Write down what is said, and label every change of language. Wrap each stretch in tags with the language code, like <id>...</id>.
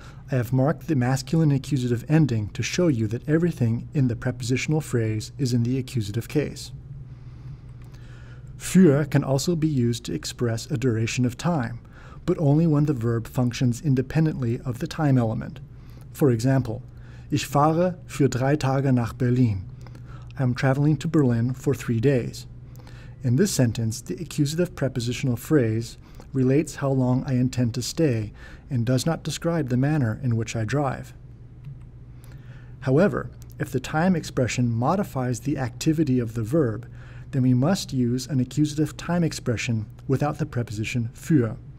<en>I have marked the masculine accusative ending to show you that everything in the prepositional phrase is in the accusative case. Für can also be used to express a duration of time, but only when the verb functions independently of the time element. For example,</en> <de>ich fahre für 3 Tage nach Berlin.</de> <en>I am traveling to Berlin for 3 days. In this sentence, the accusative prepositional phrase relates how long I intend to stay and does not describe the manner in which I drive. However, if the time expression modifies the activity of the verb, then we must use an accusative time expression without the preposition für.</en>